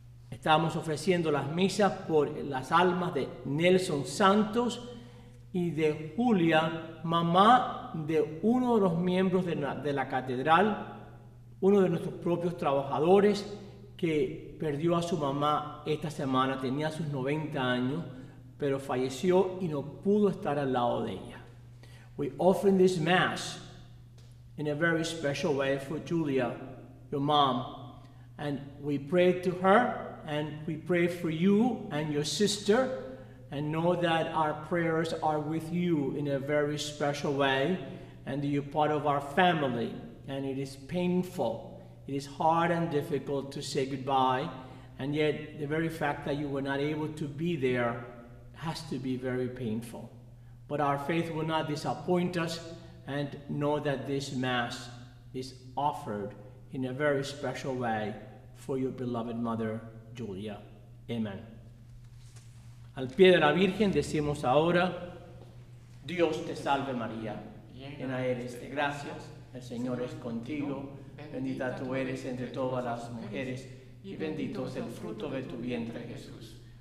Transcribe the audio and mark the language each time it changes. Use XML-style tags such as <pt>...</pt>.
<es>Estamos ofreciendo las misas por las almas de Nelson Santos y de Julia, mamá de uno de los miembros de la catedral, uno de nuestros propios trabajadores, que perdió a su mamá esta semana, tenía sus 90 años, pero falleció y no pudo estar al lado de ella.</es> <en>We offer this mass in a very special way for Julia, your mom, and we pray to her, and we pray for you and your sister, and know that our prayers are with you in a very special way, and you're part of our family, and it is painful. It is hard and difficult to say goodbye, and yet the very fact that you were not able to be there has to be very painful. But our faith will not disappoint us, and know that this Mass is offered in a very special way for your beloved mother, Julia. Amen.</en> <es>Al pie de la Virgen decimos ahora, Dios te salve María, llena eres de gracia, el Señor es contigo. Bendita tú eres entre todas las mujeres, y bendito es el fruto de tu vientre, Jesús.</es>